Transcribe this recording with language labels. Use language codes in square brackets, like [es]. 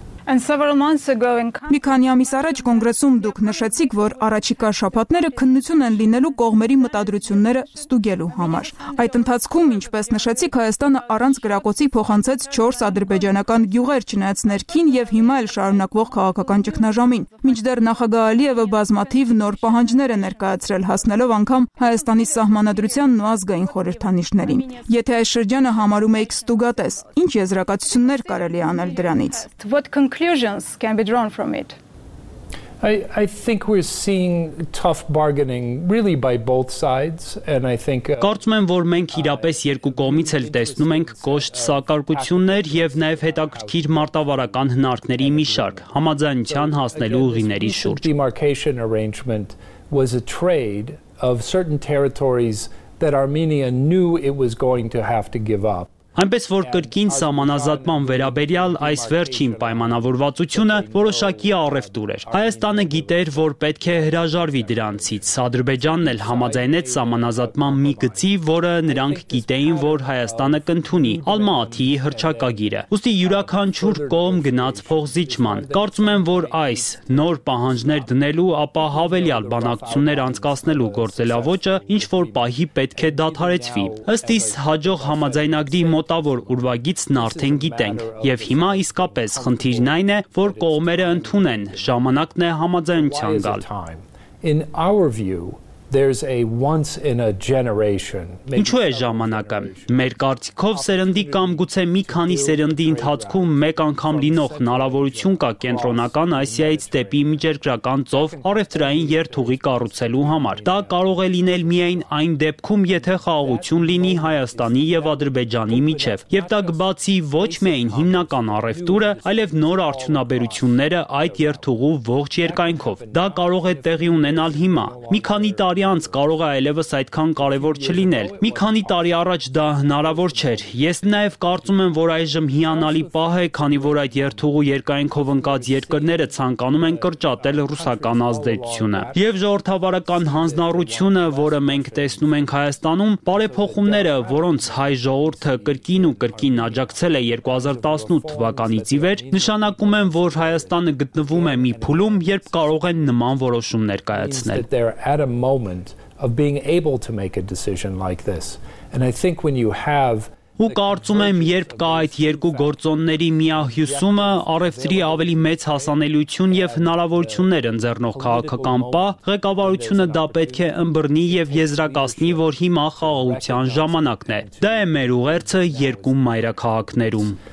[hy] Մի քանի ամիս առաջ կոնգրեսում դուք նշեցիք, որ առաջիկա շաբաթները քննություն են լինելու կողմերի մտադրությունները ստուգելու համար։ Այդ ընթացքում, ինչպես նշեցիք, Հայաստանը առանց կրակոցի փոխանցեց 4 ադրբեջանական գյուղեր չնայած ներքին և հիմա էլ շարունակվող քաղաքական ճգնաժամին։ Մինչդեռ նախագահ Ալիևը բազմաթիվ նոր պահանջներ է ներկայացրել, հասնելով անգամ Հայաստանի սահմանադրության ու ազգային խորհրդանիշներին։ Եթե այս շրջանը համարում էիք ստուգատես, ինչ եզրակացություններ կարելի է անել դրանից։ [en] Conclusions can be drawn from it. I think we're seeing tough bargaining really by both sides and I think [hy] Կարծում եմ, որ մենք իրապես երկու կողմից էլ տեսնում ենք կոշտ սակարկություններ եւ նաեւ հետաքրքիր մարտավարական հնարքների մի շարք համաձայնության հասնելու ուղիների շուրջ. [en] The demarcation arrangement was a trade of certain territories that Armenia knew it was going to have to give up. [hy] Այնպես որ կրկին սահմանազատման վերաբերյալ այս վերջին պայմանավորվածությունը որոշակի առևտուր էր։ Հայաստանը գիտեր, որ պետք է հրաժարվի դրանից, Ադրբեջանն էլ համաձայնեց սահմանազատման մի գծի, որը նրանք գիտեին, որ Հայաստանը կընդունի՝ Ալմաաթիի հռչակագիրը։ Ուստի յուրաքանչյուր կողմ գնաց փոխզիջման։ Կարծում եմ, որ այս նոր պահանջներ դնելու ապա հավելյալ բանակցություններ անցկացնելու գործելավոճը ինչ որ պահի պետք է դադարեցվի։ Ըստ իս հաջող համաձայնագրի մոտավոր ուրվագիծն արդեն գիտենք եւ հիմա իսկապես խնդիրն այն է, որ կողմերը ընդունեն ժամանակն է համաձայնության գալ։ [en] In our view, There's a once in a generation. [hy] Ինչու է ժամանակը։ Մեր կարծիքով սերնդի կամ գուցե մի քանի սերնդի ընթացքում մեկ անգամ լինող հնարավորություն կա կենտրոնական Ասիայից դեպի միջերկրական ծով առևտրային երթուղի կառուցելու համար։ Դա կարող է լինել միայն այն դեպքում, եթե խաղաղություն լինի Հայաստանի եւ Ադրբեջանի միջև։ Եվ դա կբացի ոչ միայն հիմնական առևտուրը, այլև նոր արդյունաբերությունները այդ երթուղու ողջ երկայնքով։ Դա կարող է տեղի ունենալ հիմա։ Մի քանի տարի անց կարող է այլևս այդքան կարևոր չլինել։ Մի քանի տարի առաջ դա հնարավոր չէր։ Ես նաև կարծում եմ, որ այժմ հիանալի պահ է, քանի որ այդ երթուղու երկայնքով ընկած երկրները ցանկանում են կրճատել ռուսական ազդեցությունը։ Եվ ժողովրդավարական հանձնառությունը, որը մենք տեսնում ենք Հայաստանում, բարեփոխումները, որոնց հայ ժողովուրդը կրկին ու կրկին աջակցել է 2018 թվականից ի վեր, նշանակում են, որ Հայաստանը գտնվում է մի փուլում, երբ կարող են նման որոշումներ կայացնել։ [en] Moment of being able to make a decision like this. And I think when you have [hy] Ու կարծում եմ, երբ կա այդ երկու գործոնների միահյուսումը, առևտրի ավելի մեծ հասանելիություն եւ հնարավորություններ ընձեռնող քաղաքական պահ, ղեկավարությունը դա պետք է ըմբռնի եւ եզրակացնի, որ հիմա խաղաղության ժամանակն է։ Դա է մեր ուղերձը երկու մայրաքաղաքներում։